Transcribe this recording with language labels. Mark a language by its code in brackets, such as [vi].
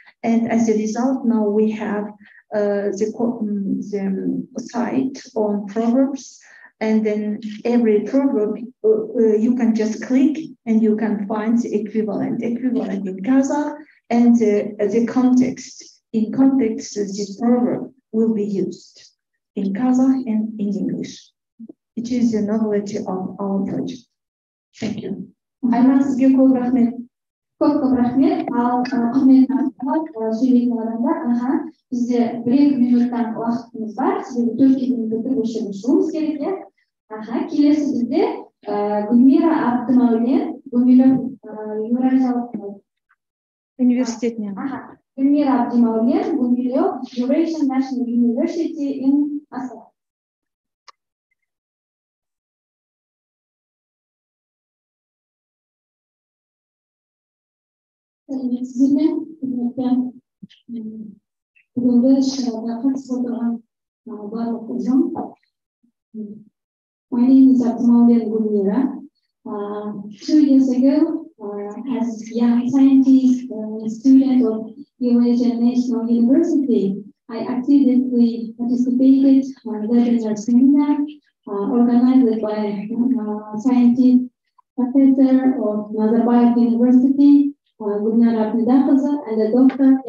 [en] And as a result, now we have the site on proverbs, and then every proverb, you can just click and you can find the equivalent in Kazakh, and the context. In context, this proverb will be used in Kazakh and in English. It is the novelty of our project. Thank you. [kk] Айман, сізге көп рахмет. Көп рахмет. Ал құрметті қонақтар, сөйлейтін адамдар, аха, бізде 1 минуттан уақытымыз бар. Сіздер 4 минутты өшіруіңіз керек. Аха, келесі бізде Гүлмира Абдымаулен, Гүлмира Еуразиялық университетінен. Аха. [en] Гүлмира Абдымаулен, Гүлмира Eurasian National University in Астана. [kk] Сәлеметсіздерме, құрметпен бүгінгі шараға қатысып отырған барлық ұжым. [en] My name is Abdımaulen Gülmira. Two years ago, as a young scientist, student of Eurasian National University, I actively participated in a webinar seminar organized by scientist professor of Nazarbayev University, Gulnara Abdulkhaza, and Dr.